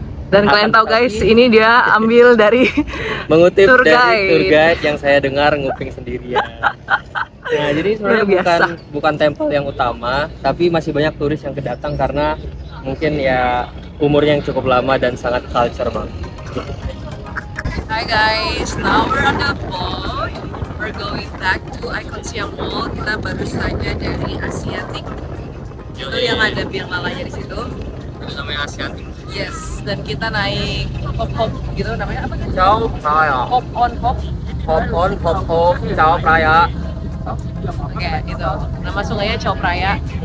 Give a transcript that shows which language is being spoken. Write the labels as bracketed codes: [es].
[id] Dan kalian tahu guys, ini dia ambil dari mengutip tour dari tour guide yang saya dengar nguping sendirian. Nah, jadi sebenarnya bukan temple yang utama, tapi masih banyak turis yang kedatang karena mungkin ya umurnya yang cukup lama dan sangat culture banget. [en] Hi guys, now we're on the boat. We're going back to Icon Siam Mall. [id] Kita baru saja dari Asiatic. Itu yang ada Birmalanya di situ. Itu namanya Asiatic. Yes, dan kita naik hop-hop gitu namanya apa kan? Chao Phraya. Hop on hop Chao Phraya. Oke, itu. Nama sungainya Chao Phraya.